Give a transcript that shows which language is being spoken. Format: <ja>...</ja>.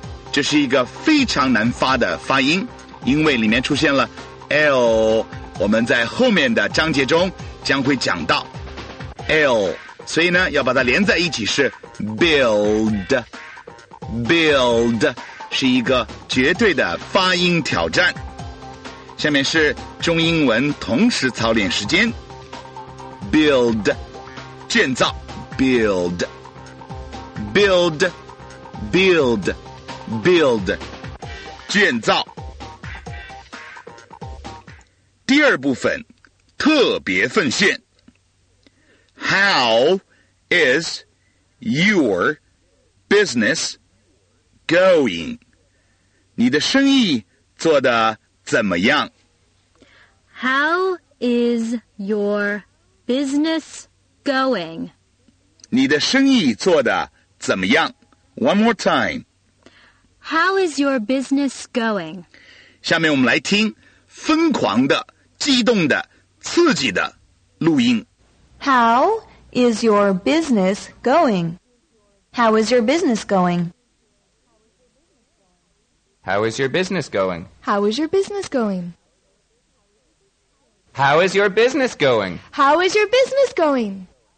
<zh>这是一个非常难发的发音，因为里面出现了 L, 我们在后面的章节中将会讲到 L, 所以呢要把它连在一起是 build. Build 是一个绝对的发音挑战。下面是中英文同时操练时间。</zh> <en>Build</en> <zh>建造</zh> <en>build, build, build, build 建造。</en> <zh>第二部分，特别奉献。</zh> <en>How is your business going?</en> <zh>你的生意做得怎么样？</zh> <en>How is your business going?</en> <zh>你的生意做得怎么样？</zh> <en>One more time. How is your business going?</en> <zh>下面我们来听疯狂的、激动的、刺激的录音。</zh> <en>How is your business going? How is your business going? How is your business going? How is your business going? How is your business going? How is your business going?</en>